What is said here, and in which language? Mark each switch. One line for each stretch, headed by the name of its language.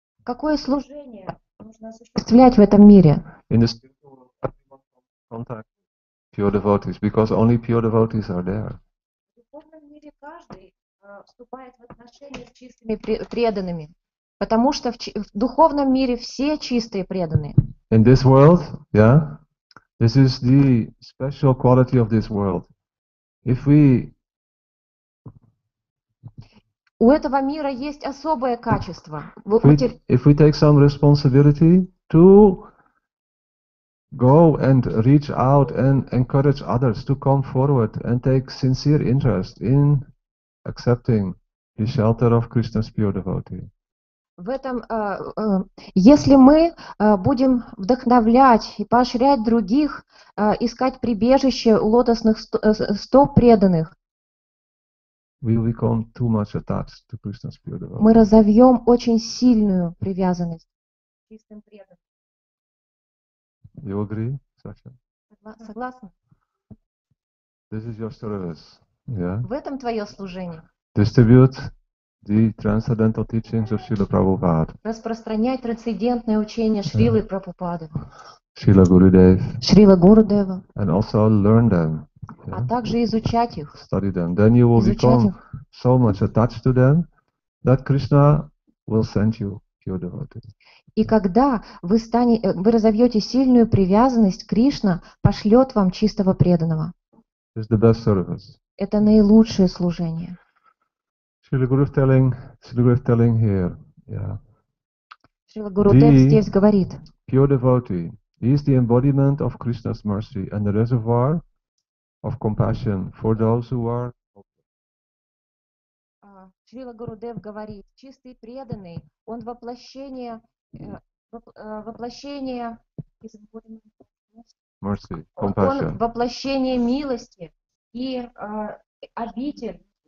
Russian: Какое служение нужно осуществлять в этом мире?
English: In the spiritual world, everyone can contact pure devotees, because only pure devotees are there.
Russian: Каждый вступает в отношения с чистыми преданными, потому что в духовном мире все чистые преданные.
English: In this world, yeah, this is the special quality of this world. If we
Russian: у этого мира есть особое качество.
English: If we take some responsibility to go and reach out and encourage others to come forward and take sincere interest in accepting the shelter of Krishna's pure devotee.
Russian: В этом, если мы будем вдохновлять и поощрять других искать прибежище у лотосных стоп преданных,
English: we become too much attached to Krishna's pure devotee.
Russian: Мы разовьем очень сильную привязанность к чистым преданным.
English: You agree, Sasha?
Russian: Согласна.
English: This is your service. Yeah.
Russian: В этом твое служение.
English: Distribute the transcendental teachings of Srila Prabhupada.
Russian: Распространяй трансцендентное учение Шрилы Прабхупады. Шрила Гурудев. Шрила Гурудева.
English: And also learn them.
Russian: А также изучать их.
English: Study them. Then you will become so much attached to them that Krishna will send you.
Russian: И когда вы разовьете сильную привязанность, Кришна пошлет вам чистого преданного.
English: It's the best service.
Russian: Это наилучшее служение.
English: Шрила Гурудев here, yeah.
Russian: Шрила Гурудев здесь говорит.
English: Pure devotee is the embodiment of Krishna's mercy and the reservoir of compassion for those who are.
Russian: Шрила Гурудев говорит, чистый преданный, он воплощение милости и обитель.